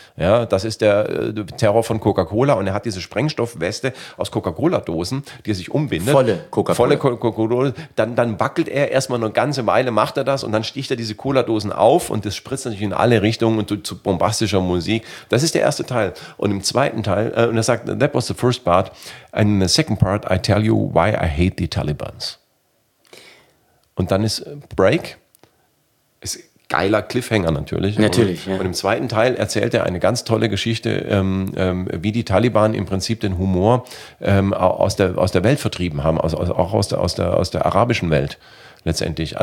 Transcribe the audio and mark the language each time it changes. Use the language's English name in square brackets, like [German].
[German] Ja, das ist der Terror von Coca-Cola und er hat diese Sprengstoffweste aus Coca-Cola-Dosen, die er sich umbindet. Volle Coca-Cola. Dann wackelt er erstmal eine ganze Weile, macht er das und dann sticht er diese Cola-Dosen auf und das spritzt natürlich in alle Richtungen und zu bombastischer Musik. Das ist der erste Teil. Und im zweiten Teil, und er sagt, [English] that was the first part. And in the second part, I tell you why I hate the Talibans. [German] Und dann ist Break. Ist geiler Cliffhanger natürlich. Natürlich, und, ja. Und im zweiten Teil erzählt er eine ganz tolle Geschichte, wie die Taliban im Prinzip den Humor aus der Welt vertrieben haben, auch aus der arabischen Welt letztendlich.